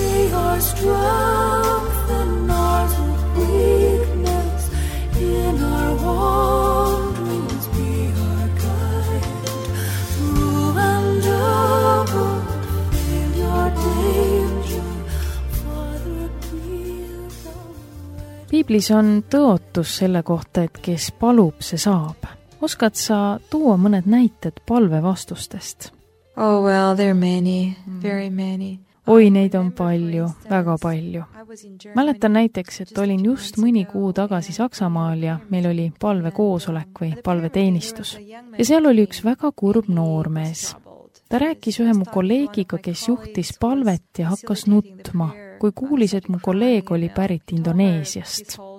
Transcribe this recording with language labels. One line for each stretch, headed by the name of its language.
English: Our strength and ours with weakness, in our wanderings be our guide. Through and above, in your danger, Father, please don't.
Estonian: Biblis on tõotus selle kohta, et kes palub, see saab. Oskad sa tuua mõned näited palve vastustest?
English: Oh well, there are many, very many.
Estonian: Oi, neid on palju, väga palju. Mäletan näiteks, et olin just mõni kuu tagasi Saksamaal ja meil oli palve koosolek või palve teenistus. Ja seal oli üks väga kurb noormees. Ta rääkis ühe mu kolleegiga, kes juhtis palvet ja hakkas nutma, kui kuulis, et mu kolleeg oli pärit Indoneesiast.